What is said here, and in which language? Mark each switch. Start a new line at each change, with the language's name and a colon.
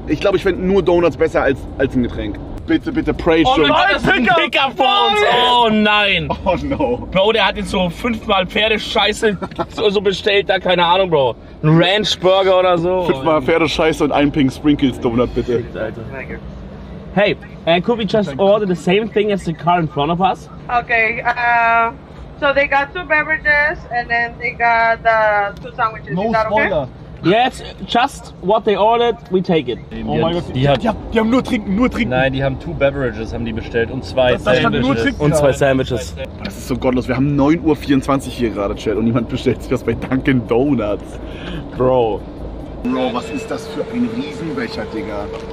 German: Ich glaube, ich finde nur Donuts besser als ein Getränk. Bitte, bitte, pray schon. Oh nein, das ist ein Pickup vor uns. Oh nein.
English: Oh no.
German: Bro, der hat jetzt so fünfmal Pferdescheiße so bestellt. Da keine Ahnung, Bro. Ein Ranch Burger oder so. Fünfmal Pferdescheiße und ein Pink Sprinkles Donut, bitte.
English: Hey, could we just order the same thing as the car in front of us? Okay, so they got two beverages and then they got two sandwiches. No is that spoiler. Okay? Yes, just what they ordered, we take it.
German: Oh mein Gott, die haben nur trinken. Nein, die haben
English: two beverages
German: haben die bestellt und zwei das Sandwiches. Nur trinken, und zwei Sandwiches. Das ist so gottlos, wir haben 9.24 Uhr hier gerade, Chat, und niemand bestellt sich was bei Dunkin' Donuts. Bro. Bro, was ist das für ein Riesenbecher, Digga?